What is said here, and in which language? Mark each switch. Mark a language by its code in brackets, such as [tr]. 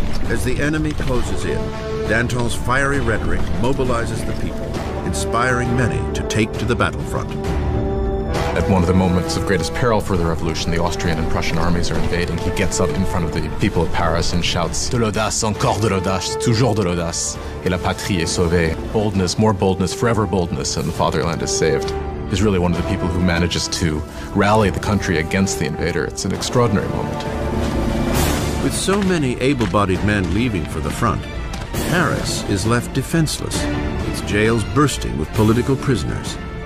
[en] As the enemy closes in, Danton's fiery rhetoric mobilizes the people, inspiring many to take to the battlefront. At one of the moments of greatest peril for the revolution, the Austrian and Prussian armies are invading. He gets up in front of the people of Paris and shouts, [fr] "De l'audace, encore de l'audace, toujours de l'audace, et la patrie est sauvée." [en] Boldness, more boldness, forever boldness, and the fatherland is saved. He's really one of the people who manages to rally the country against the invader. It's an extraordinary moment. With so many able-bodied men leaving for the front, Paris is left defenseless, its jails bursting with political prisoners.